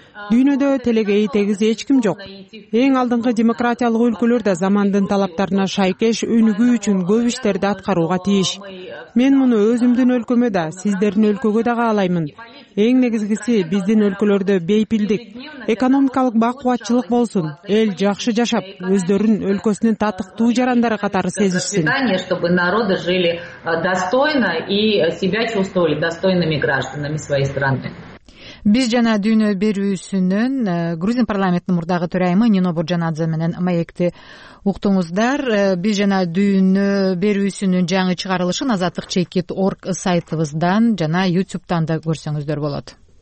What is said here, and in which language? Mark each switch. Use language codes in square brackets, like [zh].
[ky] Дүйнөдө телеге этегиз эч ким жок. Эң алдыңкы демократиялык өлкөлөр да замандын талаптарына шайкеш өнүгүү үчүн көп иштерди аткарууга тийиш. Мен муну өзүмдүн өлкөмө да, сиздердин өлкөгө да каалаймын. Эң негизгиси биздин өлкөлөрдө бейпилдик, экономикалык бакубатчылык болсун, эл жакшы жашап, өздөрүн өлкөсүнүн татыктуу жарандары катары сезишсин. [ru] Чтобы народы жили достойно и себя чувствовали достойными гражданами своей страны. [ky] Биз жана дүйнө берүүсүнүн грузин парламентинин мурдагы төрайымы Нино Буржанадзе менен маекти уктуңуздар. Биз жана дүйнө берүүсүнүн жаңы чыгарылышын азаттык чекит орг сайтыбыздан жана ютубтан да көрсөңүздөр болот.